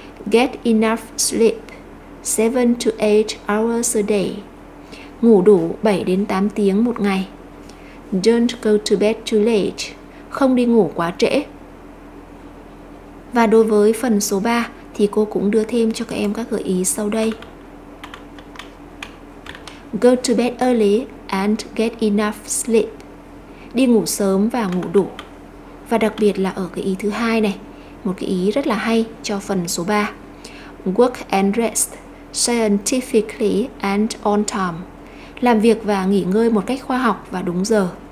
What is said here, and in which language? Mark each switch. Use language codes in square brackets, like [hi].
[en] Get enough sleep, 7 to 8 hours a day. [vi] Ngủ đủ 7 đến 8 tiếng một ngày. [en] Don't go to bed too late. [vi] Không đi ngủ quá trễ. Và đối với phần số 3 thì cô cũng đưa thêm cho các em các gợi ý sau đây. [en] Go to bed early and get enough sleep. [vi] Đi ngủ sớm và ngủ đủ. Và đặc biệt là ở cái ý thứ hai này, một cái ý rất là hay cho phần số 3. [en] Work and rest scientifically and on time. [vi] Làm việc và nghỉ ngơi một cách khoa học và đúng giờ.